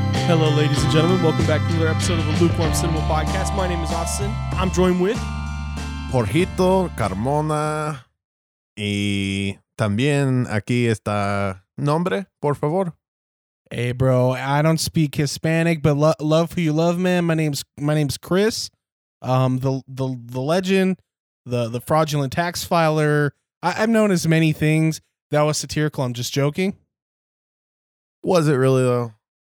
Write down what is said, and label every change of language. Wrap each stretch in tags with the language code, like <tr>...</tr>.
<en>Hello, ladies and gentlemen. Welcome back to another episode of the Lukewarm Cinema Podcast. My name is Austin. I'm joined with</en> <es>Jorgito, Carmona, y también aquí está nombre, por favor.</es> <en>Hey, bro. I don't speak Hispanic, but love who you love, man. My name's Chris. The legend, the fraudulent tax filer. I'm known as many things. That was satirical. I'm just joking. Was it really though?</en>